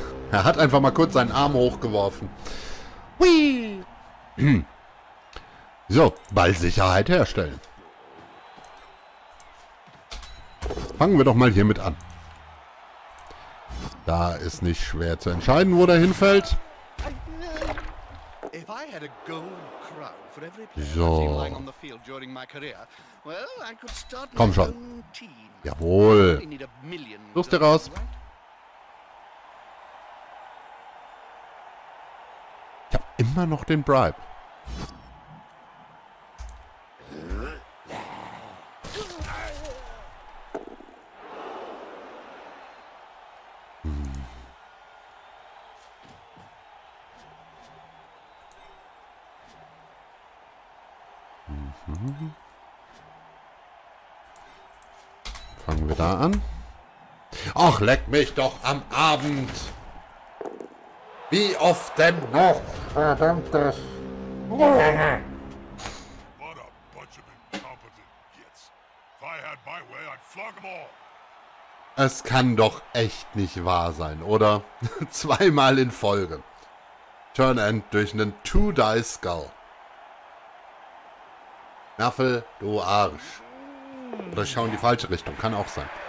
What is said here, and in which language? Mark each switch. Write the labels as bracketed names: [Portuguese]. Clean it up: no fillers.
[German] Er hat einfach mal kurz seinen Arm hochgeworfen. Whee. So, Ballsicherheit herstellen. Fangen wir doch mal hiermit an. Da ist nicht schwer zu entscheiden, wo der hinfällt. [English] had a gold crown for every player in my career. Well, I could start my own team. [German] Jawohl. Los, der raus. Ich hab immer noch den Bribe. Fangen wir da an. Ach, leck mich doch am Abend. Wie oft denn noch? Verdammtes. [English] What a bunch of incompetent kids. If I had my way, I'd flog them all. [German] Es kann doch echt nicht wahr sein, oder? Zweimal in Folge. Turn end durch einen Two-Die-Skull. Nuffel, du Arsch. Oder ich schaue in die falsche Richtung, kann auch sein.